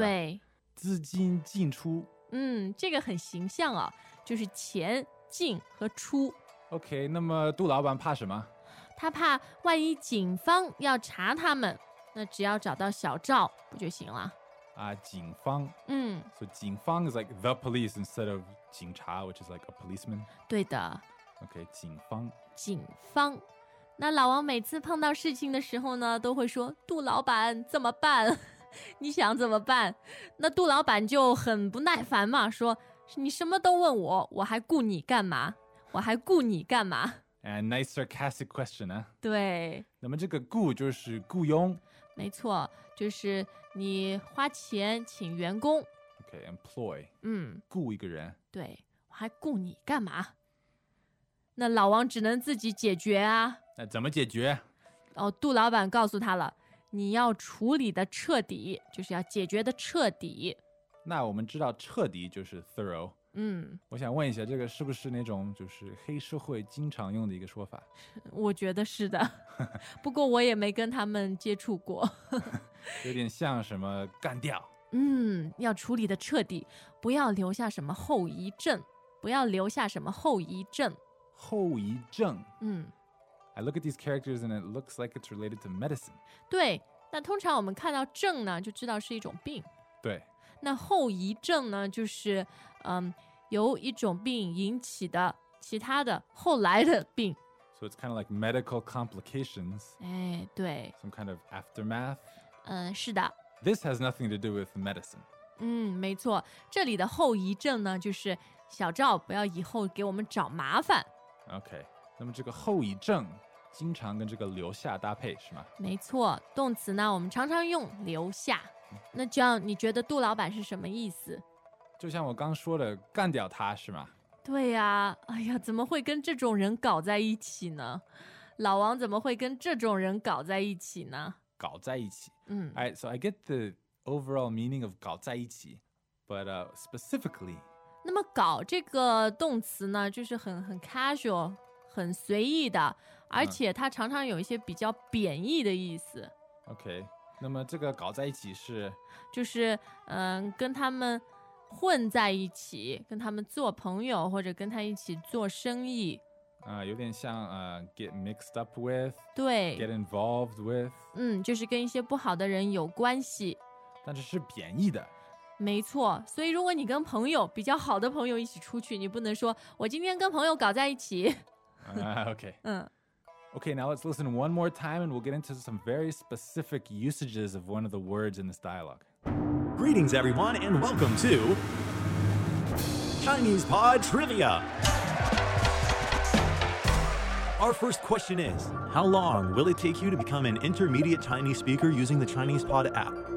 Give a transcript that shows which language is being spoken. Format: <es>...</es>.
<zh>对，资金进出。这个很形象啊，就是钱进和出。 OK, 那么杜老板怕什么？他怕万一警方要查他们，那只要找到小赵不就行了？警方。</zh> <en>So 警方 is like the police instead of 警察, which is like a policeman.</en> <zh>对的。 OK, 警方。警方。那老王每次碰到事情的时候呢，都会说杜老板怎么办？你想怎么办？那杜老板就很不耐烦嘛，说你什么都问我，我还顾你干嘛？我还顾你干嘛？</zh> <en>A nice sarcastic question.</en> <zh>对。那么这个雇就是雇佣。没错，就是你花钱请员工。</zh> <en>Okay, employ.</en> <zh>雇一个人。对，我还雇你干嘛？那老王只能自己解决啊。那怎么解决？哦，杜老板告诉他了，你要处理的彻底，就是要解决的彻底。那我们知道彻底就是 thorough。我想问一下，这个是不是那种就是黑社会经常用的一个说法？我觉得是的。不过我也没跟他们接触过。有点像什么干掉。要处理的彻底，不要留下什么后遗症。不要留下什么后遗症。后遗症。</zh> <en>I look at these characters and it looks like it's related to medicine.</en> <zh>对，那通常我们看到症呢就知道是一种病。对，那后遗症呢，就是由一种病引起的其他的后来的病。</zh> <en>So it's kind of like medical complications.</en> <zh>对。</zh> <en>Some kind of aftermath.</en> <zh>是的。</zh> <en>This has nothing to do with medicine.</en> <zh>没错，这里的后遗症呢，就是小赵不要以后给我们找麻烦。 OK, 那么这个后遗症经常跟这个留下搭配是吗？没错，动词呢我们常常用留下。那 John, 你觉得杜老板是什么意思？就像我刚说的，干掉他是吗？对呀、怎么会跟这种人搞在一起呢？老王怎么会跟这种人搞在一起呢？搞在一起。</zh> <en>Alright, so I get the overall meaning of 搞在一起, but specifically.</en> <zh>那么搞这个动词呢，就是很 casual, 很随意的，而且它常常有一些比较贬义的意思。 Okay. 那么这个搞在一起是？就是跟他们混在一起，跟他们做朋友，或者跟他一起做生意。有点像</zh> <en>get mixed up with，</en> <zh>对</zh> <en>，get involved with，</en> <zh>就是跟一些不好的人有关系，但是是贬义的，没错。所以如果你跟朋友比较好的朋友一起出去，你不能说我今天跟朋友搞在一起。</zh> <en>okay. Okay. Now let's listen one more time, and we'll get into some very specific usages of one of the words in this dialogue. Greetings, everyone, and welcome to Chinese Pod Trivia. Our first question is, how long will it take you to become an intermediate Chinese speaker using the Chinese Pod app?</en>